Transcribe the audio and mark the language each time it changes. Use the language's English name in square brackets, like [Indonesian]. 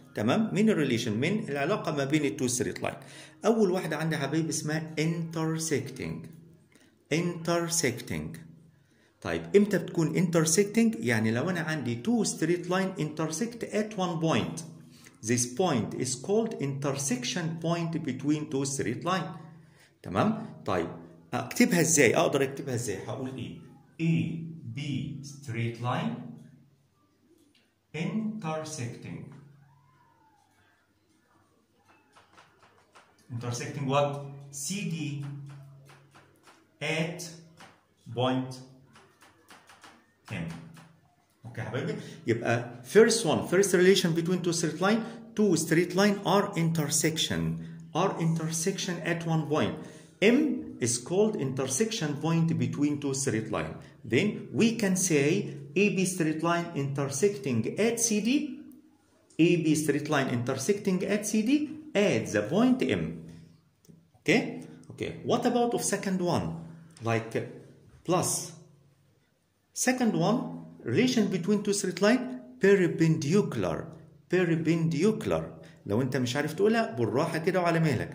[Arabic] تمام، من الريليشن، من العلاقة ما بين التو ستريت لاين. أول واحدة عندي حبيبي اسمها intersecting. intersecting، طيب إمتى بتكون intersecting؟ يعني لو أنا عندي تو ستريت لاين [English] intersect at one point. This point is called intersection point between two straight line. [Arabic] تمام، طيب أكتبها إزاي؟ أقدر أكتبها إزاي؟ هقول إيه؟ [English] A B straight line intersecting. intersecting what؟ CD at point M. okay حبيبي، يبقى first one، first relation between two straight line، two straight line are intersection، are intersection at one point. M is called intersection point between two straight line. then we can say AB straight line intersecting at CD، AB straight line intersecting at CD at the point M. Okay, okay. What about of second one, like plus? Second one, relation between two straight line perpendicular. Perpendicular. [Arabic] لو أنت مش عارف تقولها بالراحة كده وعلى مهلك.